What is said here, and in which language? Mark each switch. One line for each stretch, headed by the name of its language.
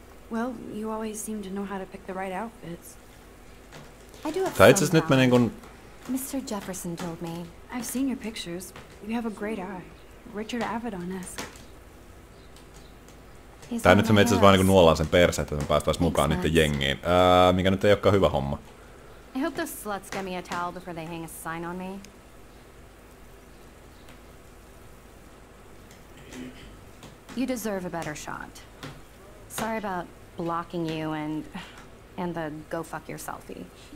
English: Well, you always seem to know how to pick the right outfits.
Finnish: Tää itseasiassa nyt menee kun...
English: Mr. Jefferson told me. I've seen your pictures. You have a great eye. Richard Avedon-esque.
Finnish: Tää nyt se me itseasiassa vaan niinku nuolaan sen perse, että me päästäis mukaan niitten jengiin. Mikä nyt ei ookaan hyvä homma.
English: I hope those sluts get me a towel before they hang a sign on me. You deserve a better shot. Sorry about blocking you and the go fuck your selfie.